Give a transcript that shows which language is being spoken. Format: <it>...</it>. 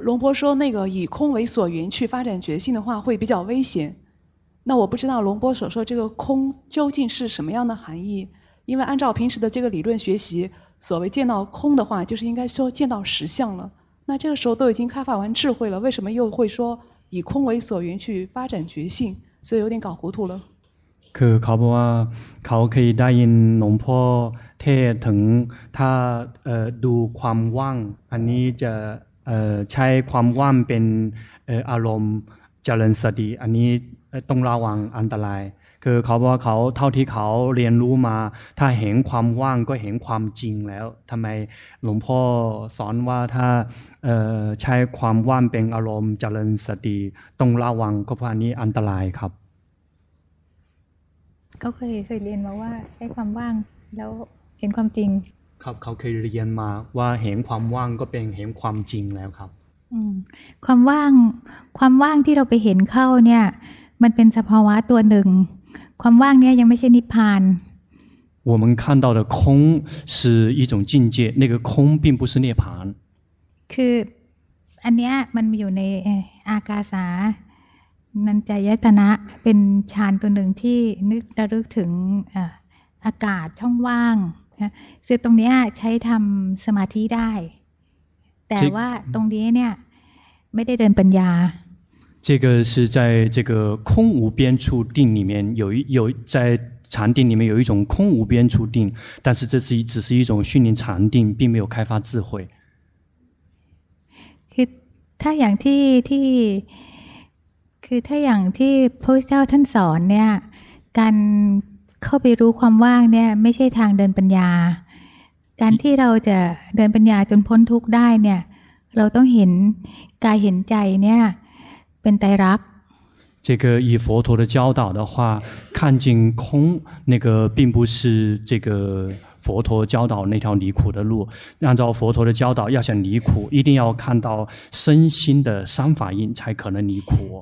<zh>龙波说那个以空为所缘去发展觉性的话会比较危险那我不知道龙波所说这个空究竟是什么样的含义因为按照平时的这个理论学习所谓见到空的话就是应该说见到实相了那这个时候都已经开发完智慧了为什么又会说以空为所缘去发展觉性所以有点搞糊涂了可考不啊考可以答应龙波</zh> <th>เทถึงถ้าดูความว่างอันนี้จะใช้ความว่างเป็นอารมณ์เจริญสติอันนี้ต้องระวังอันตรายคือเขาบอกว่าเขาเท่าที่เขาเรียนรู้มาถ้าเห็นความว่างก็เห็นความจริงแล้วทำไมหลวงพ่อสอนว่าถ้าใช้ความว่างเป็นอารมณ์เจริญสติต้องระวังก็เพราะอันนี้อันตรายครับ ก็เคยเรียนมาว่าใช้ความว่างแล้วเห็นความจริง ครับเขาเคยเรียนมาว่าเห็นความว่างก็เป็นเห็นความจริงแล้วครับ ความว่างที่เราไปเห็นเข้าเนี่ยมันเป็นสภาวะตัวหนึ่งความว่างเนี่ยยังไม่ใช่นิพพาน</th> <zh>我们看到的空是一种境界那个空并不是涅槃</zh> <th>คืออันเนี้ยมันอยู่ในอากาสานัญจายตนะเป็นฌานตัวหนึ่งที่นึกระลึกถึงอากาศช่องว่างคือตรงนี้ใช้ทำสมาธิได้แต่ว่าตรงนี้เนี่ยไม่ได้เดินปัญญา</th> <zh>这个是在这个空无边处定里面有在禅定里面有一种空无边处定但是这是只是一种训练禅定并没有开发智慧</zh> <th>คือถ้าอย่างที่คือถ้าอย่างที่พระพุทธเจ้าท่านสอนเนี่ยการเข้าไปรู้ความว่างเนี่ยไม่ใช่ทางเดินปัญญาการที่เราจะเดินปัญญาจนพ้นทุกข์ได้เนี่ยเราต้องเห็นกายเห็นใจเนี่ยเป็นไตรลักษณ์</th> <zh>这个以佛陀的教导的话看见空那个并不是这个佛陀教导那条离苦的路按照佛陀的教导要想离苦一定要看到身心的三法印才可能离苦</zh>